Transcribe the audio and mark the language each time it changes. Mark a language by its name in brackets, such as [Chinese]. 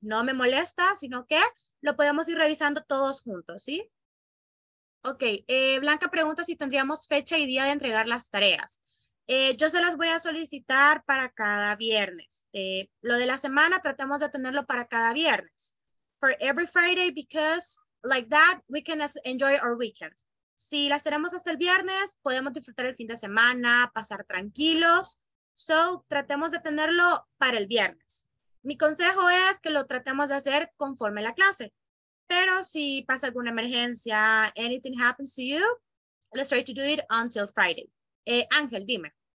[Spanish] No me molesta, sino que lo podemos ir revisando todos juntos, ¿sí? Ok, Blanca pregunta si tendríamos fecha y día de entregar las tareas. Yo se las voy a solicitar para cada viernes. Lo de la semana tratemos de tenerlo para cada viernes. [English] For every Friday, because like that, we can enjoy our weekend. [Spanish] Si las tenemos hasta el viernes, podemos disfrutar el fin de semana, pasar tranquilos. So, tratemos de tenerlo para el viernes. Mi consejo es que lo tratemos de hacer conforme la clase. Pero si pasa alguna emergencia, [English] anything happens to you, let's try to do it until Friday. Ángel, [Spanish] dime.